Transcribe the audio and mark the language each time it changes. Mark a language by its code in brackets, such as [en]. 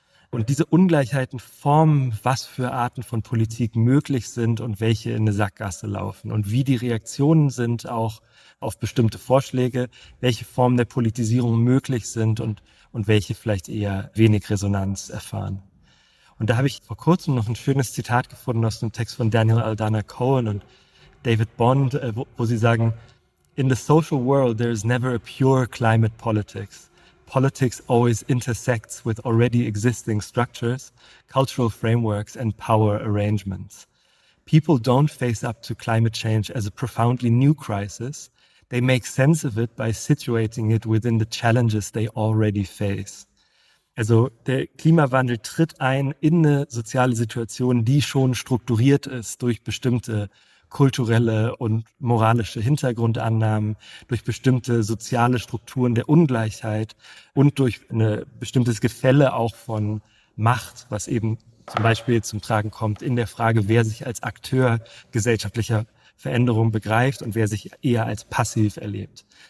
[de] Und diese Ungleichheiten formen, was für Arten von Politik möglich sind und welche in eine Sackgasse laufen und wie die Reaktionen sind auch auf bestimmte Vorschläge, welche Formen der Politisierung möglich sind und welche vielleicht eher wenig Resonanz erfahren. Und da habe ich vor kurzem noch ein schönes Zitat gefunden aus einem Text von Daniel Aldana Cohen und David Bond, wo sie sagen: [en] In the social world, there is never a pure climate politics. Politics always intersects with already existing structures, cultural frameworks and power arrangements. People don't face up to climate change as a profoundly new crisis. They make sense of it by situating it within the challenges they already face. [de] Also der Klimawandel tritt ein in eine soziale Situation, die schon strukturiert ist durch bestimmte kulturelle und moralische Hintergrundannahmen, durch bestimmte soziale Strukturen der Ungleichheit und durch ein bestimmtes Gefälle auch von Macht, was eben zum Beispiel zum Tragen kommt in der Frage, wer sich als Akteur gesellschaftlicher Veränderung begreift und wer sich eher als passiv erlebt.